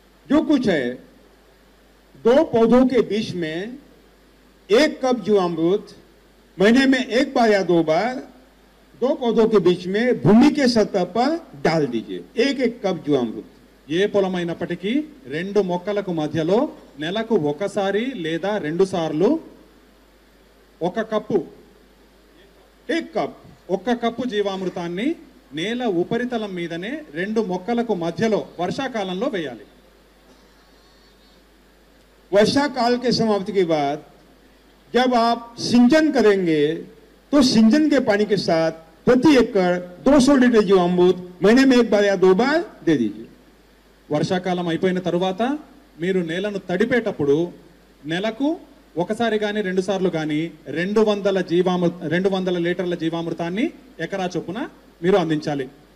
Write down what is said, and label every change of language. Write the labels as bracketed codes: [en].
[hi] जो कुछ है दो पौधों के बीच में एक कप जीवामृत महीने में एक बार या दो बार दो पौधों के बीच में भूमि के सतह पर डाल दीजिए एक एक कप जीवामृत [te] ये పొలమైనప్పటికీ రెండు మొక్కలకు మధ్యలో నెలకు ఒకసారి లేదా రెండు సార్లు ఒక కప్పు [hi] ఎక్ కప్ [te] ఒక కప్పు జీవామృతాన్ని నేల ఉపరితలం మీదనే రెండు మొక్కలకు మధ్యలో వర్షాకాలంలో వేయాలి. [hi] वर्षा काल के समाप्ति के बाद जब आप सिंचन करेंगे तो सिंचन के पानी के साथ प्रति एकड़ 200 लीटर जीवामृत महीने में एक बार या दो बार दे दीजिए. [te] वर्षा काल అయిపోయిన తరువాత మీరు నేలను తడిపేటప్పుడు నెలకు ఒకసారి గాని రెండు సార్లు గాని 200 లీటర్ల జీవామృతాన్ని ఎకరా చొప్పున మీరు అందించాలి.